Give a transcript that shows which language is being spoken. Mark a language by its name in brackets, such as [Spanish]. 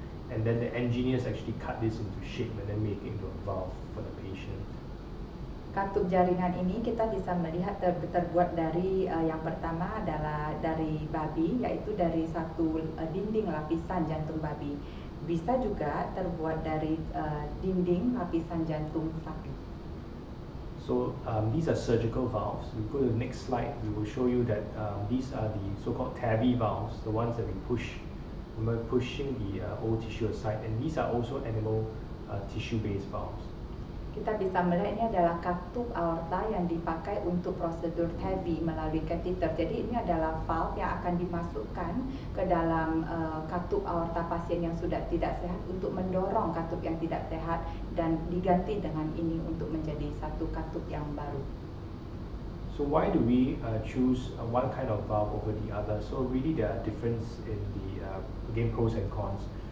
[English] And then the engineers actually cut this into shape and then make it into a valve for the patient. [Indonesian] Katup jaringan ini kita bisa melihat terbuat dari yang pertama adalah dari babi, yaitu dari satu dinding lapisan jantung babi. Bisa juga terbuat dari dinding lapisan jantung sapi. [English] So these are surgical valves. We go to the next slide. We will show you that these are the so-called TAVI valves, the ones that we push we're pushing the old tissue aside, and these are also animal tissue-based valves. [Indonesian] Kita bisa melihat ini adalah katup aorta yang dipakai untuk prosedur TAVI melalui kateter. Jadi ini adalah valve yang akan dimasukkan ke dalam katup aorta pasien yang sudah tidak sehat untuk mendorong katup yang tidak sehat dan diganti dengan ini untuk menjadi satu katup yang baru. [English] So why do we choose one kind of valve over the other? So really there are difference in the again pros and cons.